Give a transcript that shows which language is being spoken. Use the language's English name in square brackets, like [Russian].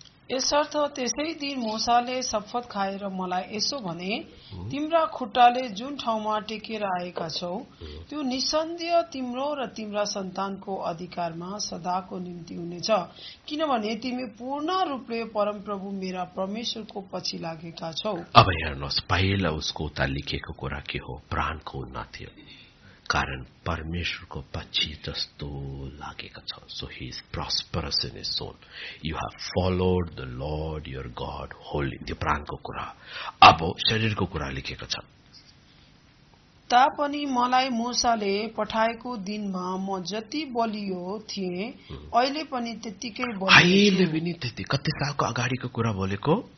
[Nepali] यसर्थ त्यसै दिन मोसाले शपथ खाएर मलाई यसो भने, तिम्रा खुट्टाले जुन ठाउँमा टेकेर आएका छौ त्यो निसन्देह तिम्रो र तिम्रा सन्तानको अधिकारमा सदाको निम्ति हुनेछ, किनभने तिमी पूर्ण रूपले परमप्रभु मेरा परमेश्वरको पछि लागेका छौ। अब हेर्नुहोस्, पहिला उसको उता लेखेको कुरा के हो, प्राणको उन्नति हो, कारण परमेश्वरको पछि जस्तो लागेको छ. [English] So he is prosperous in his soul. You have followed the Lord your God holy. [Nepali] त्यो प्राणको कुरा. अब शरीरको कुरा लेखेको छ. तापनि मलाई मूसाले पठाएको दिनमा म जति बलियो थिए अहिले पनि त्यतिकै बलियो छु. त्यति कति सालको अगाडिको कुरा बोलेको.